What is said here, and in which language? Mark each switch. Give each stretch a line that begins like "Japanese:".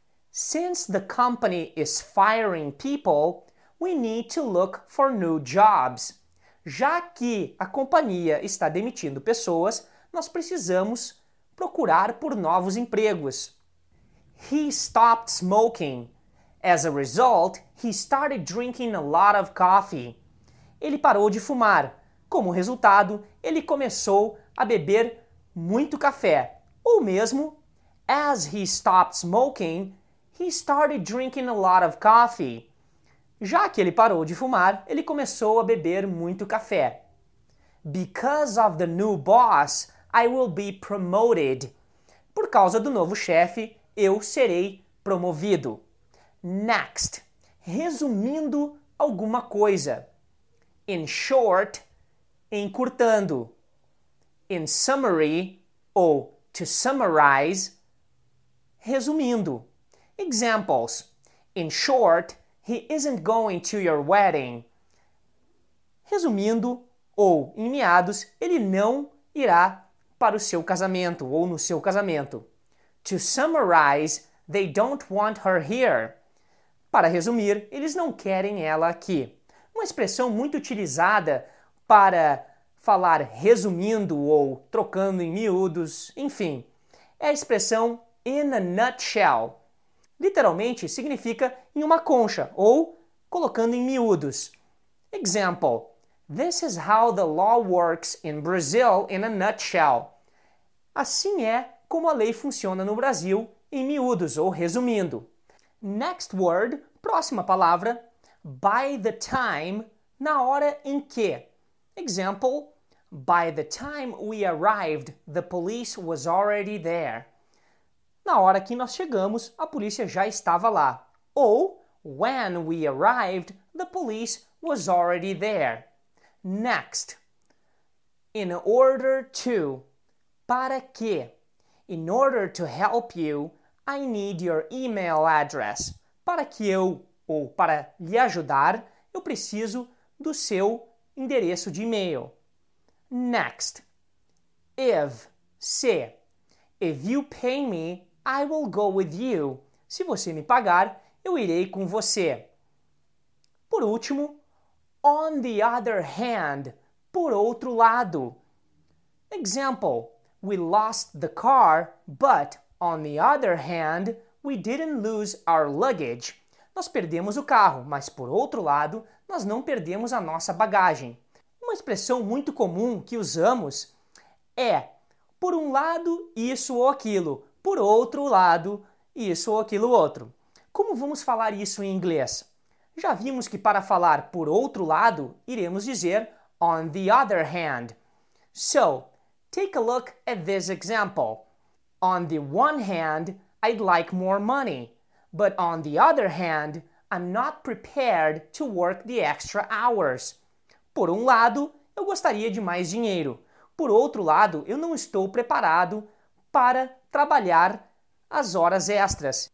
English: Since the company is firing people, we need to look for new jobs.
Portuguese: Já que a companhia está demitindo pessoas, nós precisamos procurar por novos empregos.
English: He stopped smoking. As a result, he started drinking a lot of coffee.
Portuguese: Ele parou de fumar. Como resultado, ele começou a beber muito café. Ou mesmo,
English: as he stopped smoking, he started drinking a lot of coffee.
Portuguese: Já que ele parou de fumar, ele começou a beber muito café.
English: Because of the new boss, I will be promoted.
Portuguese: Por causa do novo chefe, eu serei promovido. Next, resumindo alguma coisa.
English: In short, encurtando. In summary, ou to summarize, resumindo. Examples. In short, he isn't going to your wedding.
Portuguese: Resumindo, ou em meados, ele não irá para o seu casamento ou no seu casamento.
English: To summarize, they don't want her here.
Portuguese: Para resumir, eles não querem ela aqui. Uma expressão muito utilizada para falar resumindo ou trocando em miúdos, enfim, é a expressão in a nutshell. Literalmente significa em uma concha ou colocando em miúdos.
English: Example: This is how the law works in Brazil in a nutshell.
Portuguese: Assim é como a lei funciona no Brasil em miúdos ou resumindo.
English: Next word,
Portuguese: próxima palavra, by the time, na hora em que.
English: Example: By the time we arrived, the police was already there.
Portuguese: Na hora que nós chegamos, a polícia já estava lá.
English: Ou, when we arrived, the police was already there. Next. In order to.
Portuguese: Para quê?
English: In order to help you, I need your email address.
Portuguese: Para que eu, ou para lhe ajudar, eu preciso do seu endereço de e-mail.
English: Next. If, se. If you pay me, I will go with you.
Portuguese: Se você me pagar, eu irei com você. Por último, on the other hand, por outro lado.
English: Example: We lost the car, but on the other hand, we didn't lose our luggage.
Portuguese: Nós perdemos o carro, mas por outro lado, nós não perdemos a nossa bagagem. Uma expressão muito comum que usamos é por um lado isso ou aquilo, por outro lado isso ou aquilo outro. Como vamos falar isso em inglês? Já vimos que para falar por outro lado, iremos dizer on the other hand.
English: So, take a look at this example. On the one hand, I'd like more money, but on the other hand, I'm not prepared to work the extra hours.
Portuguese: Por um lado, eu gostaria de mais dinheiro. Por outro lado, eu não estou preparado para trabalhar as horas extras.